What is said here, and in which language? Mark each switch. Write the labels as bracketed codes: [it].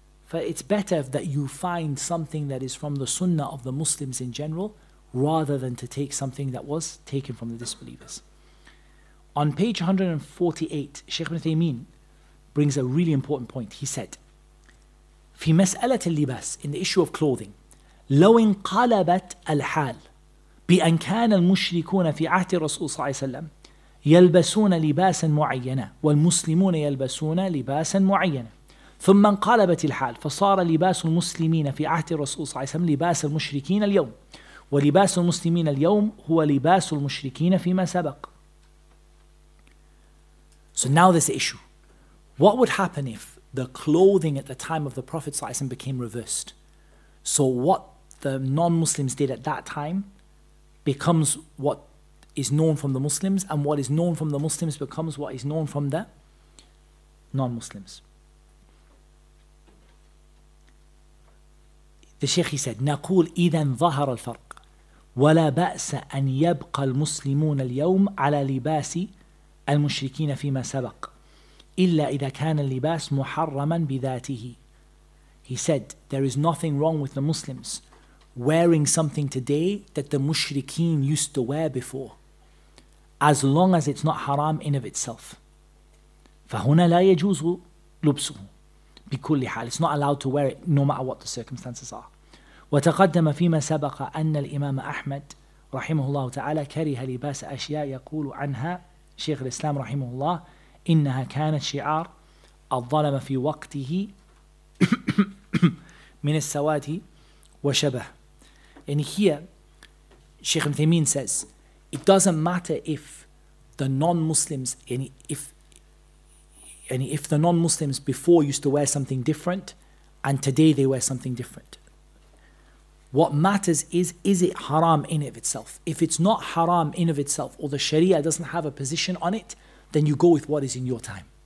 [en] But it's better that you find something that is from the sunnah of the Muslims in general, rather than to take something that was taken from the disbelievers. On page 148, Shaykh ibn Thaymin brings a really important point. He said, [ar] في مسألة اللباس, [en] in the issue of clothing, [ar] لو انقلبت الحال بأن كان المشركون في عهد الرسول صلى الله عليه وسلم يلبسون لباسا معينا والمسلمون يلبسون لباسا معينا ثم انقلبت الحال فصار لباس المسلمين في عهد الرسول صلى الله عليه وسلم لباس المشركين اليوم ولباس المسلمين اليوم هو لباس المشركين فيما سبق. [en] So now this issue. What would happen if the clothing at the time of the Prophet صلى الله عليه وسلم became reversed? So what the non-Muslims did at that time becomes what is known from the Muslims, and what is known from the Muslims becomes what is known from the non-Muslims. The Shaykh, he said, [ar] نقول إذا ظهر الفرق ولا بأس أن يبقى المسلمون اليوم على لباس المشركين فيما سبق إلا إذا كان اللباس محرما بذاته. [en] He said, there is nothing wrong with the Muslims wearing something today that the mushrikeen used to wear before, as long as it's not haram in of itself. [ar] فهنا لا يجوز لبسه بكل حال. [en] It's not allowed to wear it no matter what the circumstances are. [ar] وتقدم فيما سبق أن الإمام أحمد رحمه الله تعالى كره لباس أشياء يقول عنها شيخ الإسلام رحمه الله إنها كانت شعار الظلم في وقته من السواد وشبه. [en] And here, Sheikh Thaymin says, it doesn't matter if the non-Muslims, if the non-Muslims before used to wear something different, and today they wear something different. What matters is it haram in of itself? If it's not haram in of itself, or the Sharia doesn't have a position on it, then you go with what is in your time.